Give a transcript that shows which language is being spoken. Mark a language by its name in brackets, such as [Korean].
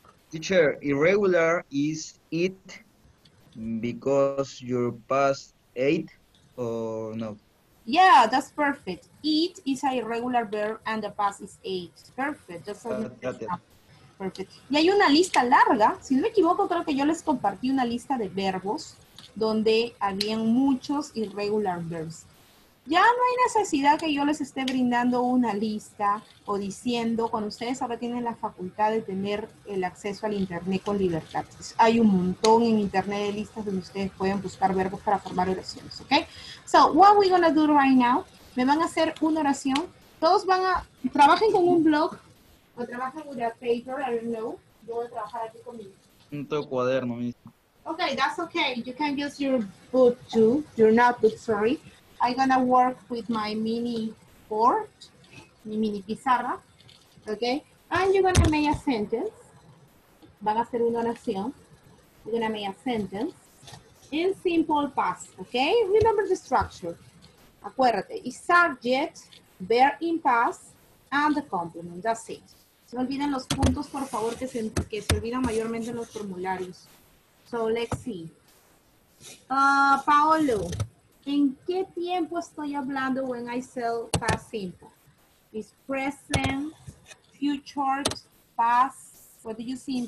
[English] Teacher, irregular is it because your past ate or no? Yeah, that's perfect. Eat is an irregular verb and the past is ate. Perfect. That's perfect. [Spanish] Y hay una lista larga. Si no me equivoco, creo que yo les compartí una lista de verbos donde habían muchos [English] irregular verbs. [Spanish] Ya no hay necesidad que yo les esté brindando una lista o diciendo, cuando ustedes ahora tienen la facultad de tener el acceso al internet con libertad. Hay un montón en internet de listas donde ustedes pueden buscar verbos para formar oraciones, ¿ok? [English] So, what we're gonna do right now, [Spanish] me van a hacer una oración. Todos van a, trabajen con un blog o trabajen [English] with a paper, I don't know. [Spanish] Yo voy a trabajar aquí con mi cuaderno mismo. [English] Okay, that's okay. You can use your book too, your notebook, sorry. I'm gonna work with my mini board, [Spanish] mi mini pizarra, [English] okay? And you're gonna make a sentence. [Spanish] Van a hacer una oración. [English] You're gonna make a sentence in simple past, okay? Remember the structure. [Spanish] Acuérdate, [English] it's subject, verb in past, and the complement. That's it. [Spanish] Se olviden los puntos, por favor, que se olvidan mayormente los formularios. [English] So let's see. Paolo. [Spanish] ¿En qué tiempo estoy hablando [English] when I say past simple? It's present, future, past. What do you see in